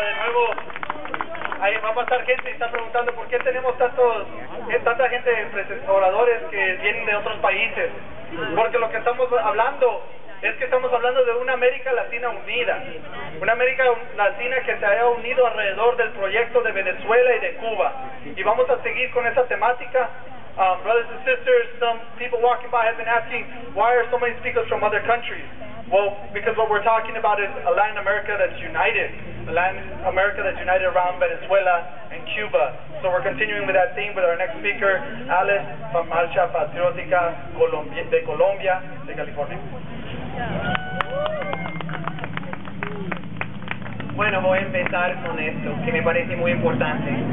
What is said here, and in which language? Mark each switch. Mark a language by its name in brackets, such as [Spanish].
[Spanish] De nuevo, ahí va a pasar gente y están preguntando por qué tenemos tanta gente de oradores que vienen de otros países. Porque lo que estamos hablando es que estamos hablando de una América Latina unida. Una América Latina que se haya unido alrededor del proyecto de Venezuela y de Cuba. Y vamos a seguir con esa temática. [English] Brothers and sisters, some people walking by have been asking, why are so many speakers from other countries? Well, because what we're talking about is a Latin America that's united. A Latin America that's united around Venezuela and Cuba. So we're continuing with that theme with our next speaker, Alice from Marcha Patriótica de Colombia, de California. [Spanish] Bueno, voy a empezar con esto, que me parece muy importante.